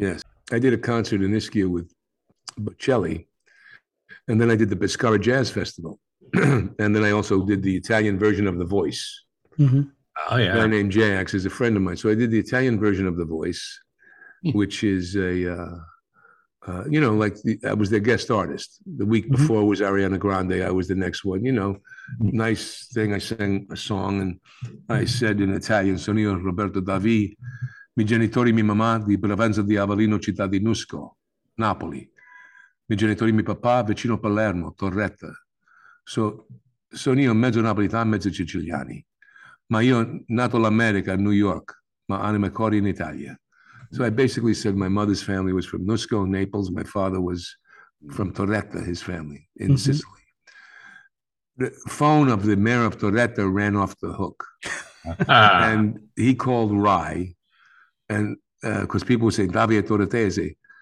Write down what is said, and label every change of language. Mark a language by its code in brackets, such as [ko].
[en] yes, I did a concert in Ischia with Bocelli, and then I did the Pescara Jazz Festival, and then I also did the Italian version of The Voice. Mm-hmm. Oh, yeah. A guy named Jax is a friend of mine. So I did the Italian version of The Voice, which is a... you know, like I was their guest artist. The week before was Ariana Grande. I was the next one. You know, nice thing. [it] I sang a song and I said in Italian, "Sono io Roberto Davi, mi genitori mi mamma di Provenza di Avellino, città di Nusco, Napoli. Mi genitori mi papà vicino Palermo, Torretta. So, sono io mezzo napoletano, mezzo siciliani. Ma io nato l'America, New York, ma anima cori in Italia." [en] So I basically said my mother's family was from Nusco, Naples. My father was from Torretta, his family, in Sicily. The phone of the mayor of Torretta ran off the hook. And he called Rai, and because people were saying, "Davi è torretese."